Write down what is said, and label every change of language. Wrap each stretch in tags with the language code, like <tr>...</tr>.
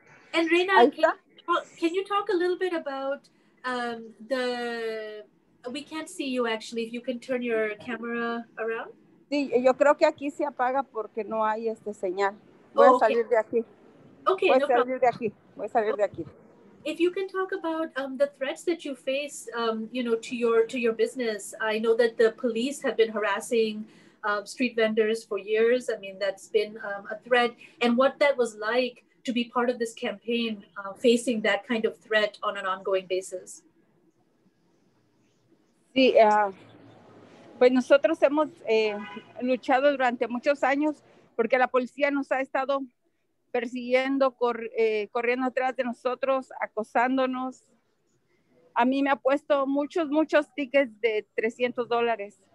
<en>And Reina, can you talk a little bit about the... We can't see you actually, if you can turn your camera around.</en> <es>Sí, yo creo que aquí se apaga porque no hay señal. Voy a salir de aquí.</es> <en>Okay,</en> <es>voy a salir de aquí. Voy a salir de aquí.</es> <en>If you can talk about the threats that you face, to your business. I know that the police have been harassing street vendors for years. I mean, that's been a threat. And what that was like to be part of this campaign, facing that kind of threat on an ongoing basis.</en> <es>Sí, pues nosotros hemos luchado durante muchos años porque la policía nos ha estado persiguiendo, corriendo atrás de nosotros, acosándonos. A mí me ha puesto muchos tickets de $300.</es>